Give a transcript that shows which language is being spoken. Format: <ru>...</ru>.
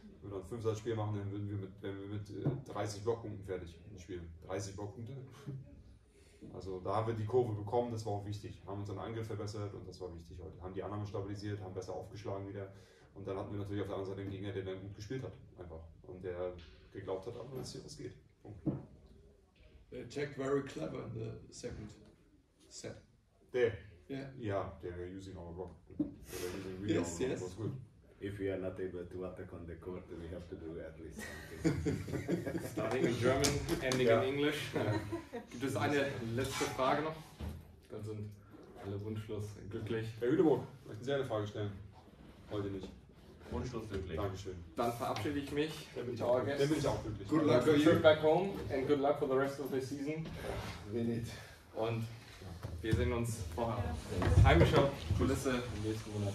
<de>Wenn wir dann ein 5-Satz-Spiel machen, dann würden wir mit 30 Blockpunkten fertig im Spiel. 30 Blockpunkte. Also da haben wir die Kurve bekommen, das war auch wichtig. Haben unseren Angriff verbessert und das war wichtig heute. Haben die Annahme stabilisiert, haben besser aufgeschlagen wieder. Und dann hatten wir natürlich auf der anderen Seite den Gegner, der dann gut gespielt hat. Einfach. Und der geglaubt hat, aber dass hier was geht. Punkt.</de> <en>They attacked very clever in the second set.</en> <de>Der? Ja.</de> <en>Yeah. Yeah, they were using our block. They were using really yes, our block. Yes. Was good. If we are not able to attack on the court, we have to do at least something. Starting in German, ending in English.</en> <de>Gibt es eine letzte Frage noch? Dann sind alle wunschlos glücklich. Herr Hüdeburg, möchten Sie eine Frage stellen? Heute nicht. Wunschlos glücklich. Dankeschön. Dann verabschiede ich mich. Dann bin ich auch glücklich.</de> <en>Good luck for you. Trip back home and good luck for the rest of the season. We need.</en> <de>Und wir sehen uns vorher. Heimgeschaut, Kulisse im nächsten Monat.</de>